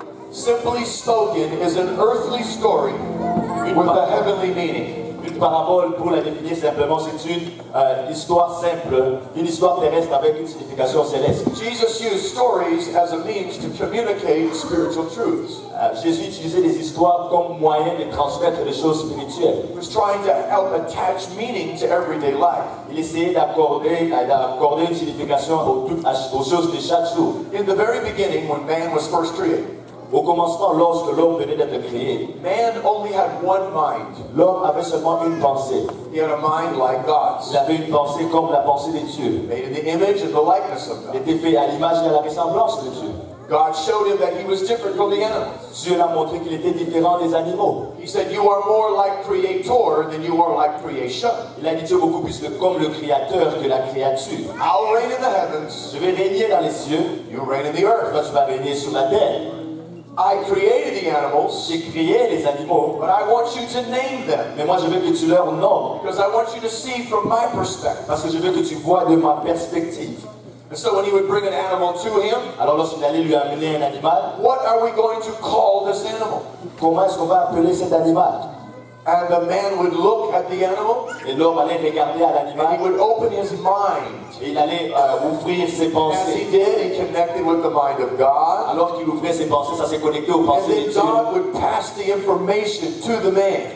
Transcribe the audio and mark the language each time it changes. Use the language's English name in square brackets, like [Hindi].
[English] Simply spoken is an earthly story with a heavenly meaning. [French] Une parabole, pour la définir simplement, c'est une histoire simple, une histoire terrestre avec une signification céleste. [English] Jesus used stories as a means to communicate spiritual truths. [French] Jésus utilisait les histoires comme moyen de transmettre des choses spirituelles. [English] He was trying to help attach meaning to everyday life. [French] Il essayait d'accorder une signification aux choses de chaque jour. [English] In the very beginning, when man was first created, [French] au commencement, lorsque l'homme venait d'être créé, [English] man only had one mind. [French] L'homme avait seulement une pensée. [English] He had a mind like God's. [French] Il avait une pensée comme la pensée de Dieu. [English] Made in the image and the likeness of God. [French] Il était fait à l'image et à la ressemblance de Dieu. [English] God showed him that he was different from the animals. [French] Dieu l'a montré qu'il était différent des animaux. [English] He said, "You are more like Creator than you are like creation." [French] Il a dit, tu es beaucoup plus comme le créateur que la créature. [English] I'll reign in the heavens. [French] Je vais régner dans les cieux. [English] You reign in the earth. [French] Toi, tu vas régner sur la terre. [English] I created the animals. [French] J'ai créé les animaux. [English] But I want you to name them. [French] Mais moi, je veux que tu leur nommes. [English] Because I want you to see from my perspective. [French] Parce que je veux que tu vois de ma perspective. [English] And so when he would bring an animal to him, [French] alors lorsqu'il allait lui amener un animal, [English] what are we going to call this animal? [French] Comment est-ce qu'on va appeler cet animal? [English] And the man would look at the animal. [French] Et l'homme allait regarder à l'animal. [English] And he would open his mind. [French] Et il allait ouvrir ses pensées. [English] As he did, he connected with the mind of God. [French] Alors qu'il ouvrait ses pensées, ça s'est connecté aux pensées de Dieu. [English] And then God would pass the information to the man.